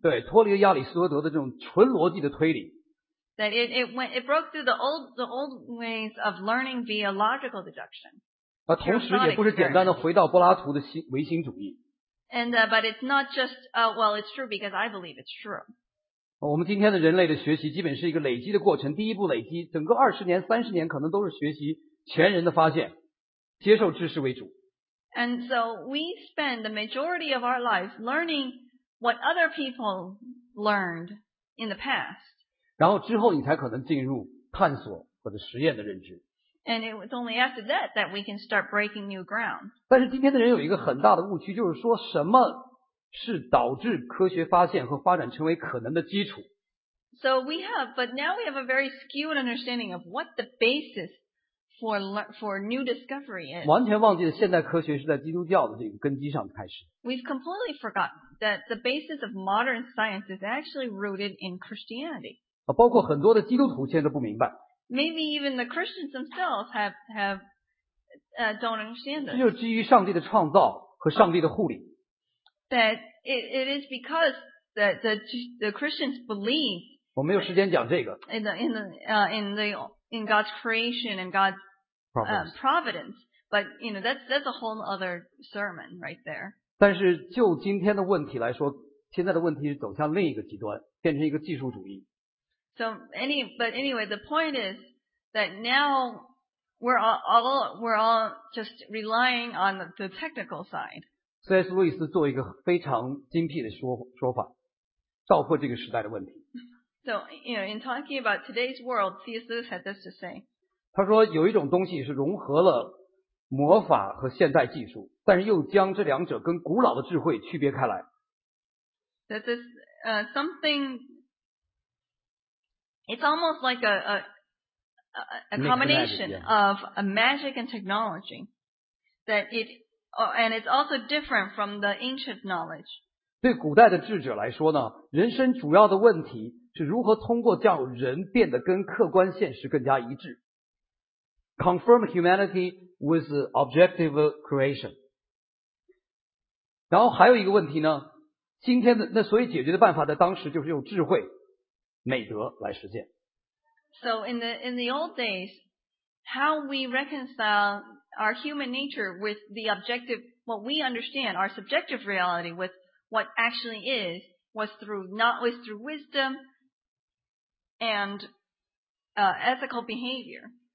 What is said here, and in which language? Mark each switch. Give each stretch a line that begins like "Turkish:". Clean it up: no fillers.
Chinese: 对，脱离了亚里士多德的这种纯逻辑的推理。
English: That it broke through the old ways of learning via logical deduction.
Chinese: 啊，同时也不是简单的回到柏拉图的唯心主义。
English: But it's not just well, it's true because I believe it's true.
Chinese: 我们今天的人类的学习基本是一个累积的过程，第一步累积，整个20年、30年可能都是学习前人的发现，接受知识为主。
English: And so we spend the majority of our life learning what other people learned in the past.
Chinese: 然后之后你才可能进入探索或者实验的认知。
English: And it was only after that that we can start breaking new ground.
Chinese: 但是今天的人有一个很大的误区，就是说什么是导致科学发现和发展成为可能的基础。
English: So we have, but now we have a very skewed understanding of what the basis for new discovery is.
Chinese: 完全忘记了现代科学是在基督教的这个根基上开始。
English: We've completely forgotten that the basis of modern science is actually rooted in Christianity.
Chinese: 包括很多的基督徒现在都不明白。
English: Maybe even the Christians themselves don't understand this.
Chinese: 这就是基于上帝的创造和上帝的护理。
English: That it is because that the Christians believe.
Chinese: 我没有时间讲这个。
English: In God's creation and God's providence, but you know that's a whole other sermon right there.
Chinese: 但是就今天的问题来说，现在的问题是走向另一个极端，变成一个技术主义。
English: But anyway, the point is that now we're all just relying on the technical side.
Chinese: C.S. Lewis 做一个非常精辟的说法，道破这个时代的问题。
English: So, you know, in talking about today's world, C.S. Lewis had this to say.
Chinese: 他说有一种东西是融合了魔法和现代技术，但是又将这两者跟古老的智慧区别开来。
English: That is something. It's almost like a combination of a magic and technology that it, and it's also different from the ancient knowledge.
Chinese: 对古代的智者来说呢，人生主要的问题是如何通过叫人变得跟客观现实更加一致。
English: Confirm humanity with objective creation.
Chinese: 然后还有一个问题呢，今天的，那所以解决的办法在当时就是用智慧。美德来实践。
English: So in the old days, how we reconcile our human nature with the objective, what we understand, our subjective reality with what actually is, was through wisdom and ethical behavior.